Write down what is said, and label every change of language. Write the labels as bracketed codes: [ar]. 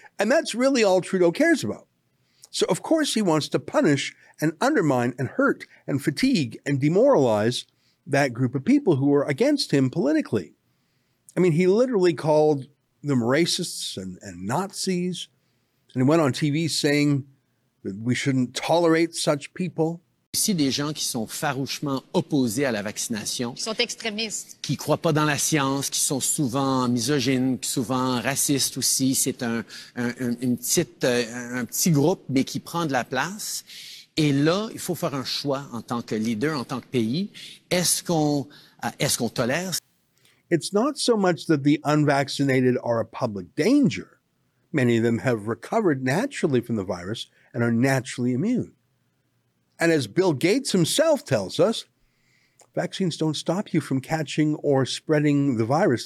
[en] And that's really all Trudeau cares about. So, of course, he wants to punish and undermine and hurt and fatigue and demoralize that group of people who are against him politically. I mean, he literally called them racists and Nazis, and he went on TV saying that we shouldn't tolerate such people. [fr] Ici des gens qui sont farouchement opposés à la vaccination, qui sont extrémistes, qui croient pas dans la science, qui sont souvent misogynes, souvent racistes aussi. C'est un petit groupe, mais qui prend de la place. Et là, il faut faire un choix en tant que leader, en tant que pays. Est-ce qu'on tolère? [en] It's not so much that the unvaccinated are a public danger. Many of them have recovered naturally from the virus and are naturally immune. And as Bill Gates himself tells us, vaccines don't stop you from catching or spreading the virus.